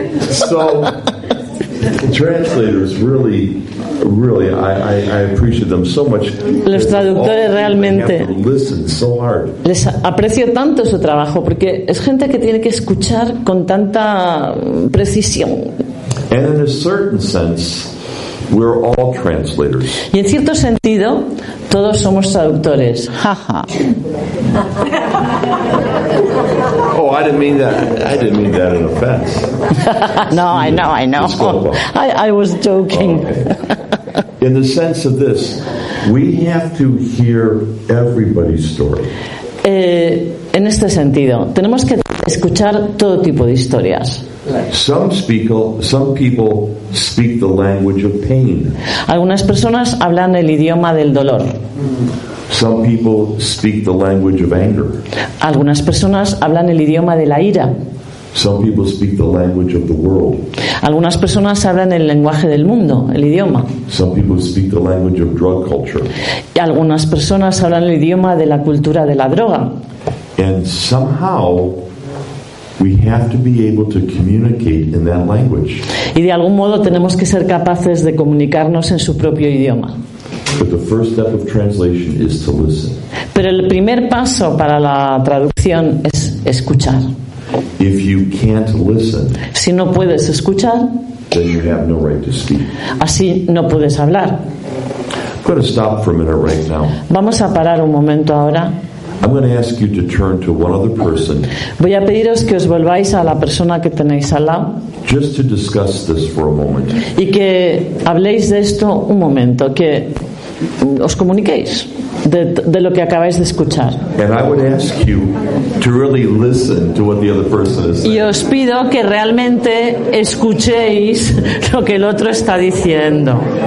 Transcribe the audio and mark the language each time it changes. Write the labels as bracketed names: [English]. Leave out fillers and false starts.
[English] So, translators really. Really, I appreciate them so much. [Spanish] Los traductores realmente les aprecio tanto su trabajo porque es gente que tiene que escuchar con tanta precisión. [English] And in a certain sense, we're all translators. [Spanish] Y en cierto sentido, todos somos traductores. [English] Oh, I didn't mean that. I didn't mean that in offense. No, yeah. I know. I was joking. In the sense of this, we have to hear everybody's story. [Spanish] En este sentido, tenemos que escuchar todo tipo de historias. [English] Some people speak the language of pain. [Spanish] Algunas personas hablan el idioma del dolor. [English] Some people speak the language of anger. [Spanish] Algunas personas hablan el idioma de la ira. [English] Some people speak the language of the world. [Spanish] Algunas personas hablan el lenguaje del mundo, el idioma. [English] Some people speak the language of drug culture. [Spanish] Y algunas personas hablan el idioma de la cultura de la droga. [English] And somehow we have to be able to communicate in that language. [Spanish] Y de algún modo tenemos que ser capaces de comunicarnos en su propio idioma. [English] But the first step of translation is to listen. [Spanish] Pero el primer paso para la traducción es escuchar. [English] If you can't listen, [Spanish] si no puedes escuchar, [English] then you have no right to speak. [Spanish] Así no puedes hablar. [English] I'm going to stop for a minute right now. [Spanish] Vamos a parar un momento ahora. [English] I'm going to ask you to turn to one other person. [Spanish] Voy a pediros que os volváis a la persona que tenéis al lado. [English] Just to discuss this for a moment. [Spanish] Y que habléis de esto un momento, que os comuniquéis de lo que acabáis de escuchar. [English] And I would ask you to really listen to what the other person is saying. [Spanish] Y os pido que realmente escuchéis lo que el otro está diciendo.